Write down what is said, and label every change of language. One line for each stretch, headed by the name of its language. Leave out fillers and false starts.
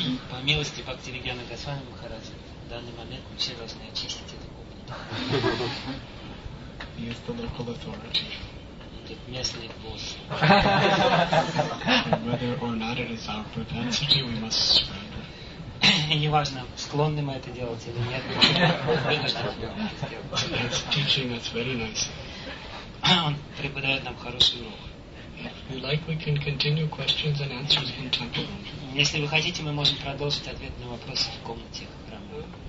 Russian: По милости Бхакти Вигьяна Госвами Махараджа, в данный момент мы все должны очистить эту комнату. Это местный босс.
English: Whether or not it is our propensity, we must surrender.
Russian: Неважно, склонны мы это делать или нет, мы должны это делать.
English: Teaching us very nice.
Russian: Он преподает нам хороший урок.
English: We like we can continue questions and answers in temple.
Russian: Если вы хотите, мы можем продолжить ответ на вопросы в комнате храма.